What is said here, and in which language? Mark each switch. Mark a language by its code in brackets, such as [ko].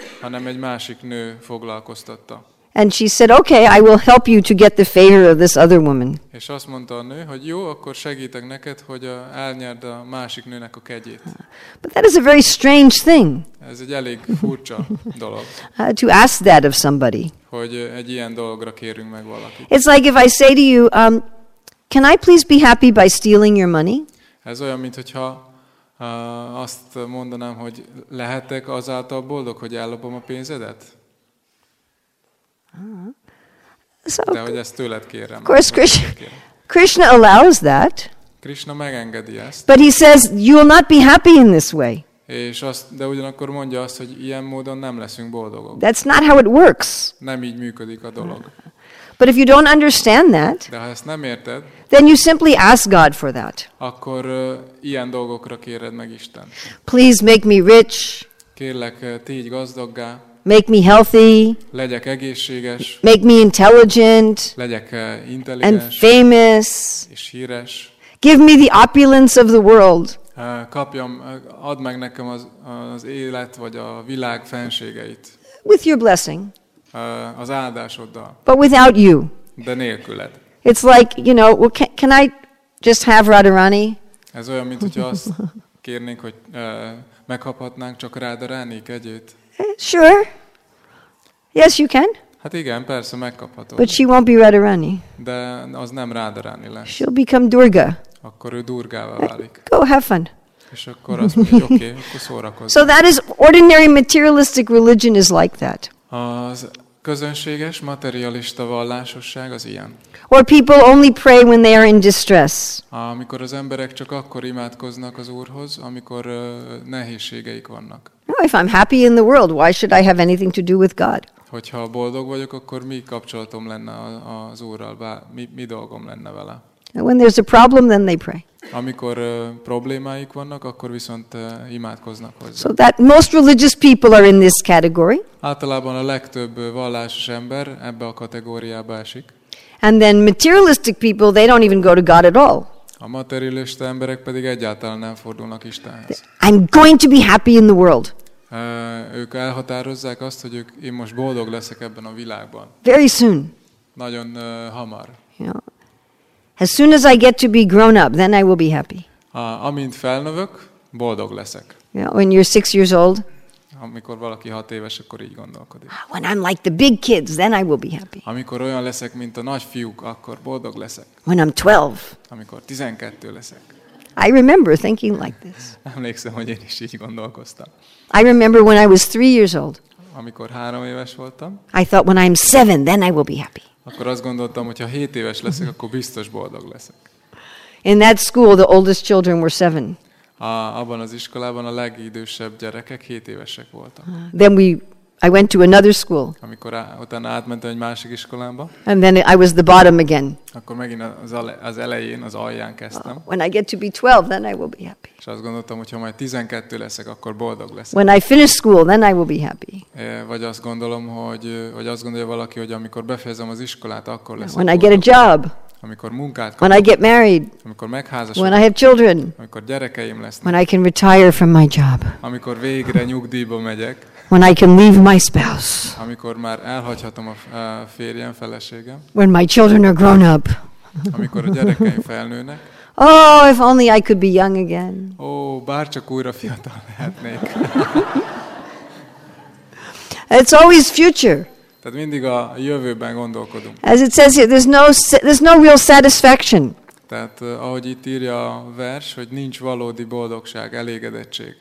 [hu] Hanem egy másik nő foglalkoztatta. [en] And she said, "Okay, I will help you to get the favor of this other woman." [hu] És azt mondta a nő, hogy jó, akkor segítek neked, hogy elnyerd a másik nőnek a kegyét. [en] But that is a very strange thing. [hu] Ez egy elég furcsa dolog. [en] To ask that of somebody. [hu] Hogy egy ilyen dologra kérünk meg valakit. [en] It's like if I say to you, "Can I please be happy by stealing your money?" [hu] Ez olyan, mint hogyha azt mondanám, hogy lehetek azáltal boldog, hogy ellopom a pénzedet. [en] So, [hu] de hogy ezt tőled kérem. [en] Of course, Krishna allows that. [hu] Krishna megengedi ezt. [en] But he says you will not be happy in this way. [hu] És azt, de ugyanakkor mondja azt, hogy ilyen módon nem leszünk boldogok. [en] That's not how it works. [hu] Nem így működik a dolog. [en] But if you don't understand that, [hu] de ha ezt nem érted, [en] then you simply ask God for that. [hu] Akkor ilyen dolgokra kéred meg Istent. [en] Please make me rich. [hu] Kérlek, tégy gazdaggá. [en] Make me healthy. [hu] Legyek egészséges. [en] Make me intelligent. [hu] Legyek intelligens. [en] And famous. [hu] És híres. [en] Give me the opulence of the world. [hu] Kapjam, add meg nekem az élet vagy a világ fenségeit. [en] With your blessing. [hu] Az áldásoddal. [en] But without you. [hu] De nélküled. [en] It's like, you know, well, can I just have Radharani? [hu] Ez olyan, mint hogyha azt kérnénk, hogy megkaphatnánk csak Radharani kegyét. [en] Sure. Yes, you can. [hu] Hát igen, persze megkaphatod. [en] But she won't be Radharani. [hu] De az nem Radharani lesz. [en] She'll become Durga. [hu] Akkor ő Durgává válik. [en] Go have fun. [hu] És akkor azt mondja, okay, akkor szórakozz. [en] So that is ordinary materialistic religion is like that. [hu] Az közönséges materialista vallásosság az ilyen. [en] Or people only pray when they are in distress. [hu] Amikor az emberek csak akkor imádkoznak az Úrhoz, amikor nehézségeik vannak. [en] No, if I'm happy in the world, why should I have anything to do with God? [hu] Hogyha boldog vagyok, akkor mi kapcsolatom lenne az Úrral? Mi dolgom lenne vele? [en] And when there's a problem, then they pray. [hu] Amikor problémáik vannak, akkor viszont imádkoznak hozzá. [en] So that most religious people are in this category. [hu] Általában a legtöbb vallásos ember ebbe a kategóriába esik. [en] And then materialistic people, they don't even go to God at all. [hu] A materialista emberek pedig egyáltalán nem fordulnak Istenhez. [en] I'm going to be happy in the world. [hu] Ők elhatározzák azt, hogy én most boldog leszek ebben a világban. [en] Very soon. [hu] Nagyon hamar. [en] Yeah. As soon as I get to be grown up, then I will be happy. [hu] Amint felnövök, boldog leszek. [en] Yeah, when you're 6 years old. [hu] Amikor valaki 6 éves, akkor így gondolkodik. [en] When I'm like the big kids, then I will be happy. [hu] Amikor olyan leszek, mint a nagy fiúk, akkor boldog leszek. [en] When I'm 12. [hu] Amikor 12 leszek. [en] I remember thinking like this. [hu] Emlékszem, hogy én is így gondolkoztam. [en] I remember when I was 3 years old. [hu] Amikor 3 éves voltam. [en] I thought when I'm 7, then I will be happy. [hu] Akkor azt gondoltam, hogy ha 7 éves leszek, akkor biztos boldog leszek. [en] In that school, the oldest children were 7. [hu] Abban az iskolában a legidősebb gyerekek 7 évesek voltak. [en] Then I went to another school. [hu] Amikor utána átmentem egy másik iskolába. [en] And then I was the bottom again. [hu] Akkor megint az elején, az alján kezdtem. [en] When I get to be 12, then I will be happy. [hu] És azt gondoltam, hogy ha majd 12 leszek, akkor boldog leszek. [en] When I finish school, then I will be happy. [hu] Vagy azt gondolom, hogy azt gondolja valaki, hogy amikor befejezem az iskolát, akkor leszek. [en] When I get a job. [hu] Amikor munkát kapok. [en] When I get married. [hu] Amikor megházasodok. [en] When I have children. [hu] Amikor gyerekeim lesznek. [en] When I can retire from my job. [hu] Amikor végre nyugdíjba megyek. [en] When I can leave my spouse. [hu] Amikor már elhagyhatom a férjem, feleségem. [en] When my children are grown up. [hu] Amikor a gyerekeim felnőnek. [en] Oh, if only I could be young again. [hu] Oh, bárcsak újra fiatal lehetnék. [en] It's always future. [hu] Tehát mindig a jövőben gondolkodunk. [en] As it says here, there's no real satisfaction. [hu] Tehát ahogy itt írja a vers, hogy nincs valódi boldogság, elégedettség.